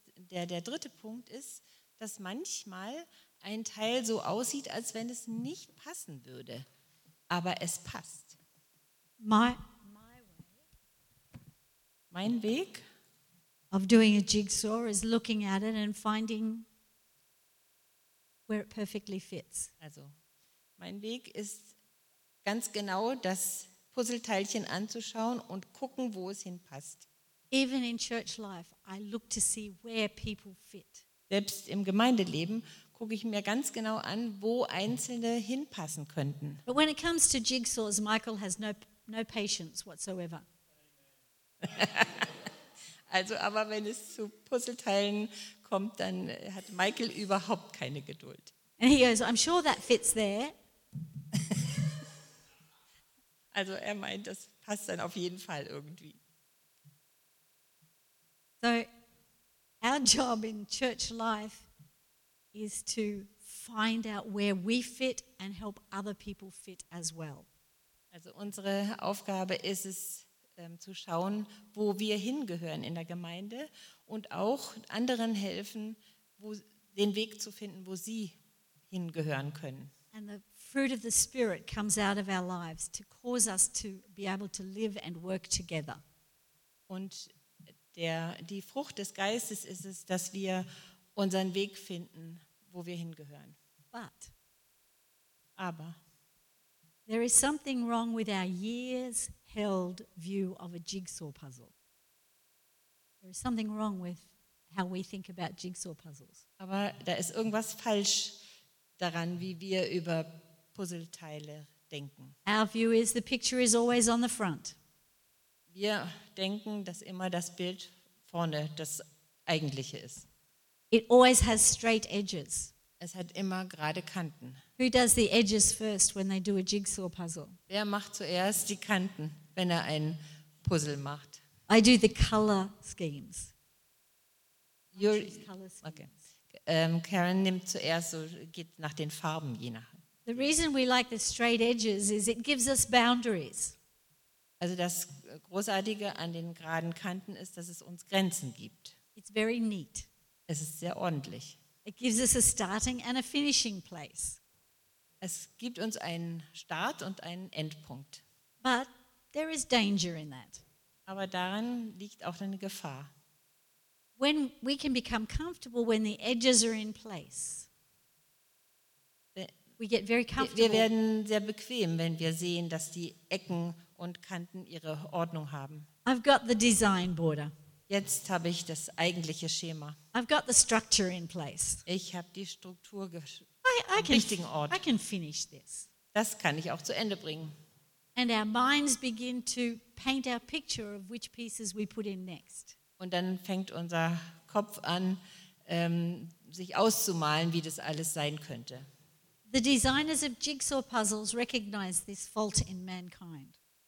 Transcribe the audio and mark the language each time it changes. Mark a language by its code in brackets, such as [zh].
[de] Der dritte Punkt ist, dass manchmal ein Teil so aussieht, als wenn es nicht passen würde, aber es passt. [en] My [de] mein Weg [en] of doing a jigsaw is looking at it and finding where it perfectly fits. [de] Also, mein Weg ist ganz genau das Puzzleteilchen anzuschauen und gucken, wo es hinpasst. [en] Even in church life, I look to see where people fit. [de] Selbst im Gemeindeleben gucke ich mir ganz genau an, wo Einzelne hinpassen könnten. [en] But when it comes to jigsaws, Michael has no patience whatsoever. [de] Also, aber wenn es zu Puzzleteilen kommt, dann hat Michael überhaupt keine Geduld. [en] And he goes, I'm sure that fits there. [de] Also er meint, das passt dann auf jeden Fall irgendwie. [en] So, our job in church life is to find out where we fit and help other people fit as well. [de] Also unsere Aufgabe ist es, zu schauen, wo wir hingehören in der Gemeinde und auch anderen helfen, den Weg zu finden, wo sie hingehören können. [en] And the fruit of the Spirit comes out of our lives to cause us to be able to live and work together. [de] Und die Frucht des Geistes ist es, dass wir unseren Weg finden, wo wir hingehören. [en] But [de] aber [en] there is something wrong with our years held view of a jigsaw puzzle. There is something wrong with how we think about jigsaw puzzles. [de] Aber da ist irgendwas falsch daran, wie wir über Puzzleteile denken. [en] Our view is the picture is always on the front. [de] Wir denken, dass immer das Bild vorne das eigentliche ist. [en] It always has straight edges. [de] Es hat immer gerade Kanten. [en] Who does the edges first when they do a jigsaw puzzle? [de] Wer macht zuerst die Kanten, wenn er ein Puzzle macht? [en] I do the color schemes. Okay. [de] Karen nimmt zuerst, so geht nach den Farben je nach. [en] The reason we like the straight edges is it gives us boundaries. [de] Also das Großartige an den geraden Kanten ist, dass es uns Grenzen gibt. [en] It's very neat. [de] Es ist sehr ordentlich. [en] It gives us a starting and a finishing place. [de] Es gibt uns einen Start und einen Endpunkt. [en] But there is danger in that. [de] Aber darin liegt auch eine Gefahr. [en] When we can become comfortable when the edges are in place, we get very comfortable. [de] Wir werden sehr bequem, wenn wir sehen, dass die Ecken und Kanten ihre Ordnung haben. [en] I've got the design border. [de] Jetzt habe ich das eigentliche Schema. [en] I've got the structure in place. [de] Ich habe die Struktur am richtigen Ort. [en] I can finish this. [de] Das kann ich auch zu Ende bringen. [en] And our minds begin to paint our picture of which pieces we put in next. [de] Und dann fängt unser Kopf an, sich auszumalen, wie das alles sein könnte. [en] The designers of jigsaw puzzles recognize this fault in mankind.